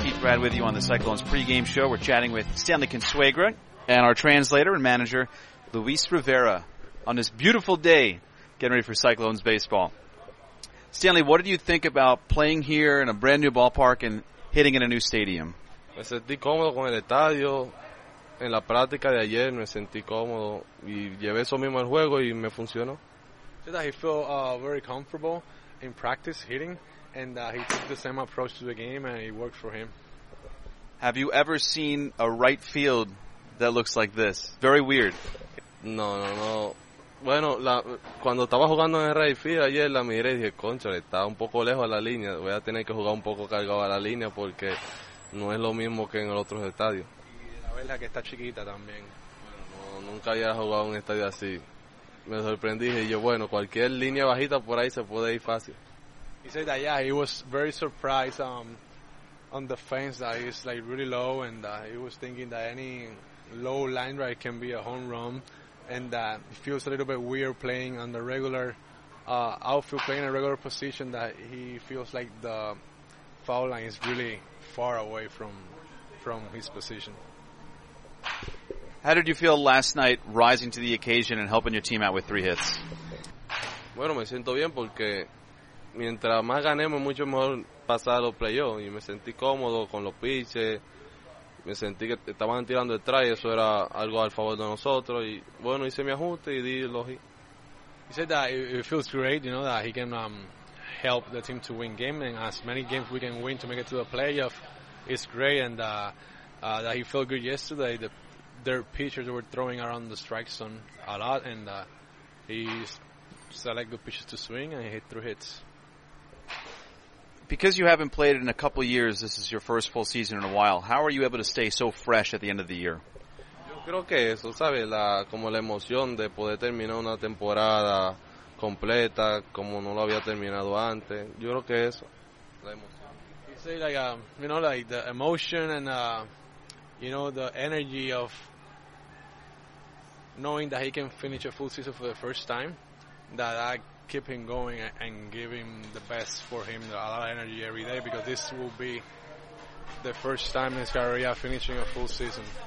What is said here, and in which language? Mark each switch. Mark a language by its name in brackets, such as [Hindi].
[English] Keith Brad with you on the Cyclones pregame show. We're chatting with Stanley Kinswiger and our translator and manager, Luis Rivera, on this beautiful day getting ready for Cyclones baseball. Stanley, what did you think about playing here in a brand new ballpark and hitting in a new stadium? [Spanish] Me sentí cómodo con el estadio. En la práctica de ayer me sentí cómodo y llevé eso mismo al juego y me funcionó. [English] He said that he felt very comfortable in practice hitting. And he took the same approach to the game, and it worked for him. Have you ever seen a right field that looks like this? Very weird. No, no, no. [Spanish] Bueno, cuando estaba jugando en el right field ayer, la miré y dije, concha, está un poco lejos a la línea. Voy a tener que jugar un poco cargado a la línea porque no es lo mismo que en el otro estadio. Y la verdad que está chiquita también. Bueno, no, nunca había jugado un estadio así. Me sorprendí y dije, yo, bueno, cualquier línea bajita por ahí se puede ir fácil. [English] He said that, yeah, he was very surprised on the fence that he's, like, really low, and he was thinking that any low line drive can be a home run, and it feels a little bit weird playing on the regular outfield, playing in a regular position, that he feels like the foul line is really far away from his position. How did you feel last night rising to the occasion and helping your team out with three hits? [Spanish] Bueno, me siento bien porque... Mientras más ganemos, mucho mejor pasar los playoffs. Y me sentí cómodo con los pitches. Me sentí que estaban tirando el try. Eso era algo al favor de nosotros. Y bueno, hice mi ajuste y di los hits. [English] He said that it feels great, you know, that he can help the team to win games. And as many games we can win to make it to the playoffs, it's great. And that he felt good yesterday. Their pitchers were throwing around the strike zone a lot. And he select good pitches to swing and hit through hits. Because you haven't played in a couple of years, this is your first full season in a while. How are you able to stay so fresh at the end of the year? [Spanish] Yo creo que eso, sabe, la como la emoción de poder terminar una temporada completa como no lo había terminado antes. Yo creo que eso, la emoción. [English] You say like you know, like the emotion and you know, the energy of knowing that he can finish a full season for the first time, that I keep him going and give him the best for him, a lot of energy every day, because this will be the first time in his career finishing a full season.